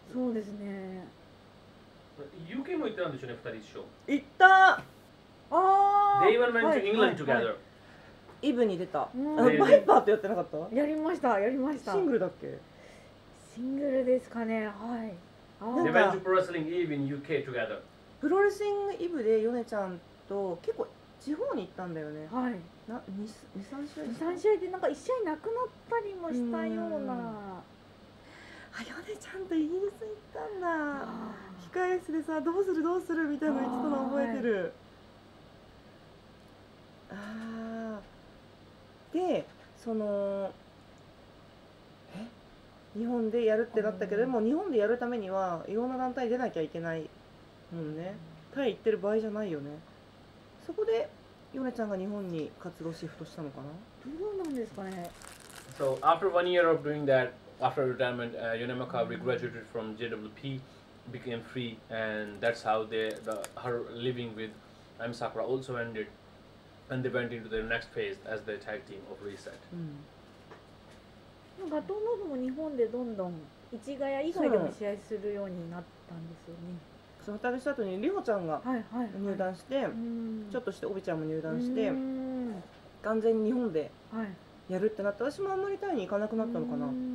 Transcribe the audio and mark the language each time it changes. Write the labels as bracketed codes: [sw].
[ja] そうですね。 UK も行ったんでしょうね、2人一緒行った。あー [en] They even went to England together、は [ja] いはい、イブに出た、うん、バイパーってやってなかった？やりました、やりました。シングルだっけ？シングルですかね、はい。 [en] They went to wrestling Eve in UK together. [ja] プロレスリングイブでヨネちゃんと結構地方に行ったんだよね。はい。な、2、3試合でなんか1試合なくなったりもしたような。あ、ヨネちゃんとイギリス行ったんだ。控え室でさ、どうするどうするみたいな言ってたの覚えてる。あ、はい、あ。で、その日本でやるってなったけど、でも日本でやるためにはいろんな団体出なきゃいけないもんね。タイ行ってる場合じゃないよね。そこでヨネちゃんが日本に活動シフトしたのかな。どうなんですかね。 [en] So after one year of doing that, after retirement, Yonemaka regraduated from JWP, became free, and that's how her living with I'm Sakura also ended, and they went into their next phase as the tag team of Reset. [ja] ガトーノードも日本でどんどん市ヶ谷以外でも試合するようになったんですよね。そう、2人した後にリホちゃんが入団して、はいはいはい、ちょっとしてオビちゃんも入団して完全に日本でやるってなって、私もあんまりタイに行かなくなったのかな。